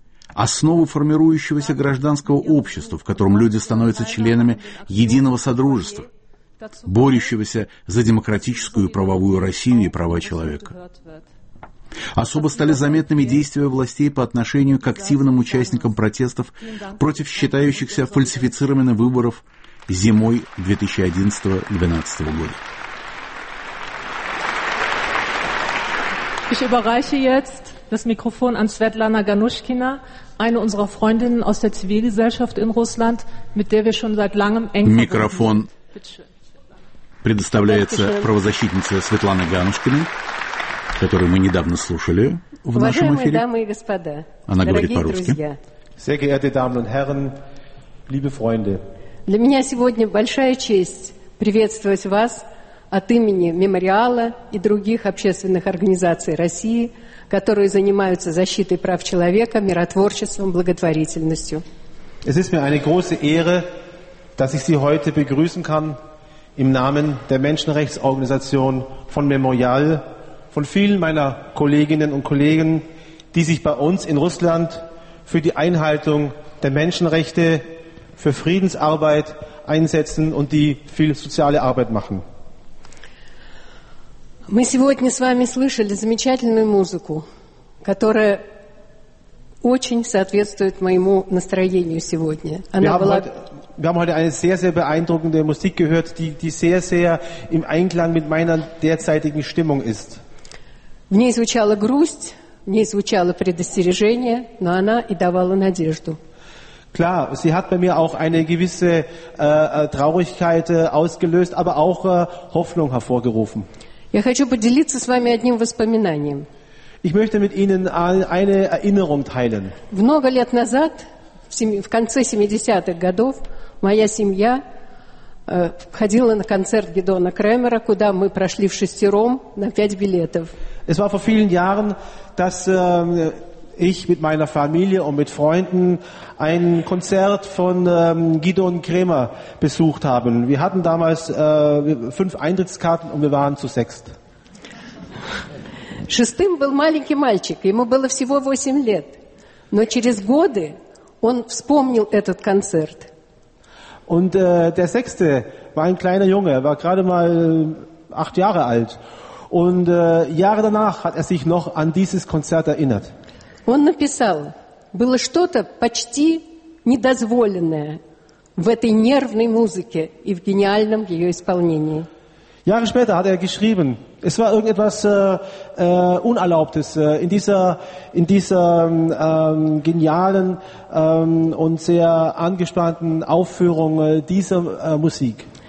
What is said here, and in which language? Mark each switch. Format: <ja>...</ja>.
<ru>Основу формирующегося гражданского общества, в котором люди становятся членами единого содружества, борющегося за демократическую и правовую Россию и права человека. Особо стали заметными действия властей по отношению к активным участникам протестов против считающихся фальсифицированных выборов зимой 2011-2012 года.</ru> <de>Ich überreiche jetzt das Mikrofon an Svetlana Ganushkina, eine unserer Freundinnen aus der Zivilgesellschaft in Russland, mit der wir schon seit langem eng</de> <ru>Mikrofon предоставляется правозащитнице Светлане Ганушкиной, которую мы недавно слушали в нашем эфире. Уважаемые дамы и господа, она говорит по-русски.</ru> <de>Sehr geehrte Damen und Herren, liebe Freunde.</de> <ru>Для меня сегодня большая честь приветствовать вас от имени Мемориала и других общественных организаций России, которые занимаются защитой прав человека, миротворчеством, благотворительностью.</ru> <de>Es ist mir eine große Ehre, dass ich Sie heute begrüßen kann im Namen der Menschenrechtsorganisation von Memorial, von vielen meiner Kolleginnen und Kollegen, die sich bei uns in Russland für die Einhaltung der Menschenrechte, für Friedensarbeit einsetzen und die viel soziale Arbeit machen.</de> <ru>Мы сегодня с вами слышали замечательную музыку, которая очень соответствует моему настроению сегодня. Она была...</ru> <de>Wir haben heute eine sehr, sehr beeindruckende Musik gehört, die sehr, sehr im Einklang mit meiner derzeitigen Stimmung ist.</de> <ru>В ней звучала грусть, в ней звучало предостережение, но она и давала надежду.</ru> <de>Klar, sie hat bei mir auch eine gewisse Traurigkeit ausgelöst, aber auch Hoffnung hervorgerufen.</de> <ru>Я хочу поделиться с вами одним воспоминанием.</ru> <de>Ich möchte mit Ihnen eine Erinnerung teilen.</de> <ru>Много лет назад, в конце 70-х годов, моя семья ходила на концерт Гидона Крамера, куда мы прошли вшестером на 5 билетов.</ru> <de>Es war vor vielen Jahren, dass ich mit meiner Familie und mit Freunden ein Konzert von Gidon Krämer besucht haben. Wir hatten damals 5 Eintrittskarten und wir waren zu 6.</de> <ru>Шестым был маленький мальчик, ему было всего 8 лет. Но через годы он вспомнил этот концерт.</ru> <de>Und der Sechste war ein kleiner Junge, er war gerade mal 8 Jahre alt. Und Jahre danach hat er sich noch an dieses Konzert erinnert.</de> <ru>Он написал, было что-то почти недозволенное в этой нервной музыке и в гениальном ее исполнении.</ru> <de>Jahre später hat er geschrieben, es war irgendetwas Unerlaubtes in dieser genialen und sehr angespannten Aufführung dieser Musik.</de>